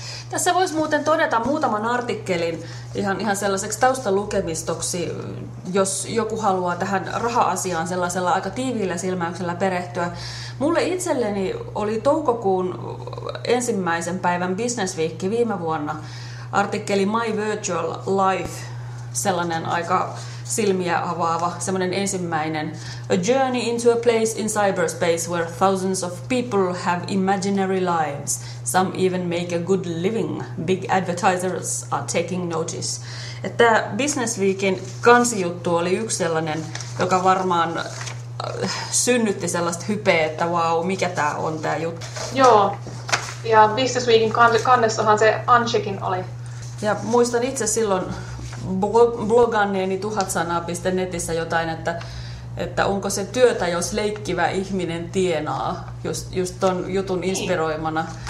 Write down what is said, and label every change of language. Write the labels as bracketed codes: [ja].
[fi] Tässä voisi muuten todeta muutaman artikkelin ihan sellaiseksi taustalukemistoksi, jos joku haluaa tähän raha-asiaan sellaisella aika tiiviillä silmäyksellä perehtyä. Mulle itselleni oli toukokuun ensimmäisen päivän Business Week viime vuonna artikkeli My Virtual Life, sellainen aika silmiä avaava, semmoinen ensimmäinen. [en] A journey into a place in cyberspace where thousands of people have imaginary lives. Some even make a good living. Big advertisers are taking notice. [fi] Että Business Weekin kansijuttu oli yksi sellainen, joka varmaan synnytti sellaista hypeä, että vau, wow, mikä tämä on tämä juttu. Joo, ja Business Weekin kannessahan se Unchecking oli. Ja muistan itse silloin bloganneeni 1000sanaa.netissä jotain, että onko se työtä, jos leikkivä ihminen tienaa, just ton jutun inspiroimana.